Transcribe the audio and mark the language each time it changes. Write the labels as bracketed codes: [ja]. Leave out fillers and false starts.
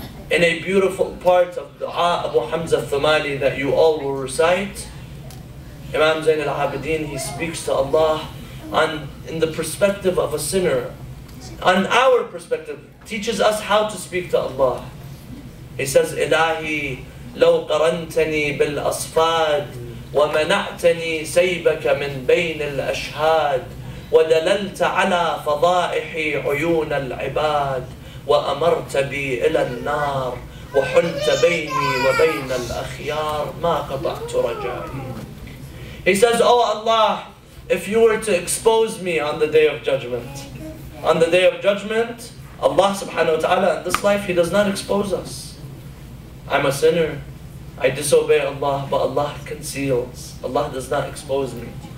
[en] In a beautiful part of du'a Abu Hamza Thumali that you all will recite, Imam Zain al-Abidin, he speaks to Allah in the perspective of a sinner. On our perspective, teaches us how to speak to Allah. He says, [ar] إِلَهِ لَوْ قَرَنْتَنِي بِالْأَصْفَادِ ومنعتني سيبك من بين الأشهاد ودللت على فضائحي عيون العباد وأمرت بي إلى النار وحلت بيني وبين الأخيار ما قطعت رجائي. [en] He says, oh Allah, if you were to expose me on the day of judgment. On the day of judgment, Allah subhanahu wa ta'ala in this life, He does not expose us. I'm a sinner. I disobey Allah, but Allah conceals. Allah does not expose me.